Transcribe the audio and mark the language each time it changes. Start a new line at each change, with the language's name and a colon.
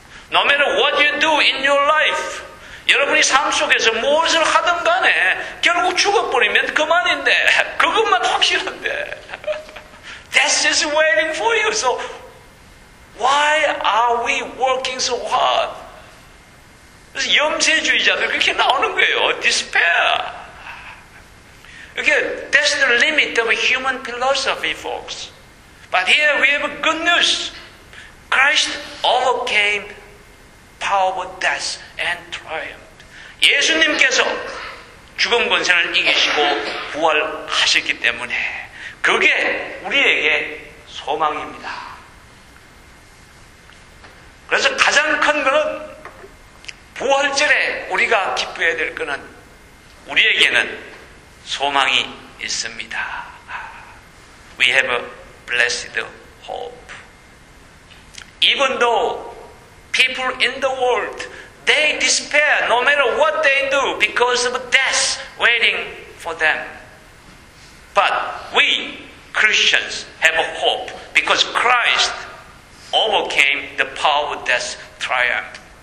English: No matter what you do in your life,
Korean: 여러분이 삶 속에서 무엇을 하든 간에 결국 죽어버리면 그만인데, 그것만 확실한데.
English: Death is waiting for you. So why are we working so hard?
Korean: 그래서 염세주의자들 그렇게 나오는 거예요.
English: Despair.
Korean: 이게
English: that's the limit of human philosophy, folks. But here we have good news. Christ overcame power, death, and triumphed.
Korean: 예수님께서 죽음 권세를 이기시고 부활하셨기 때문에 그게 우리에게 소망입니다. 그래서 가장 큰 것은 부활절에 우리가 기뻐해야 될 것은 우리에게는 소망이 있습니다.
English: We have a blessed hope. Even though people in the world, they despair no matter what they do because of death waiting for them. But we Christians have a hope because Christ overcame the power of death's triumph.